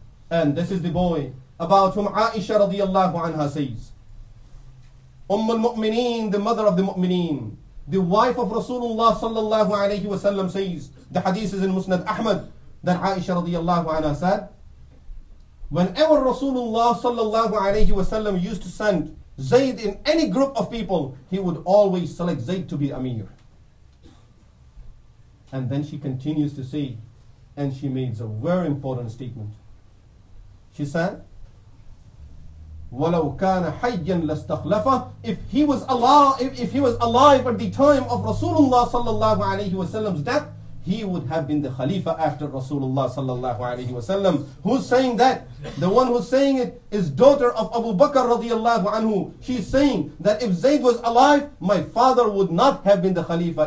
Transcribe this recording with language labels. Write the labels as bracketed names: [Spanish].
[English] And this is the boy about whom Aisha radiallahu anha says, Umm al-Mu'mineen, the mother of the Mu'mineen, the wife of Rasulullah sallallahu alayhi wa sallam says, the hadith is in Musnad Ahmad, that Aisha radiallahu anha said, whenever Rasulullah sallallahu alayhi wa sallam used to send Zayd in any group of people, he would always select Zayd to be Amir. And then she continues to say, and she makes a very important statement. [Arabic] She said, وَلَوْ كَانَ حَيًّا لَاسْتَخْلَفَهُ. [English] If he was alive at the time of Rasulullah sallallahu alayhi wa sallam's death, he would have been the Khalifa after Rasulullah sallallahu alayhi wa sallam. Who's saying that? The one who's saying it is daughter of Abu Bakr radiallahu anhu. She's saying that if Zayd was alive, my father would not have been the Khalifa.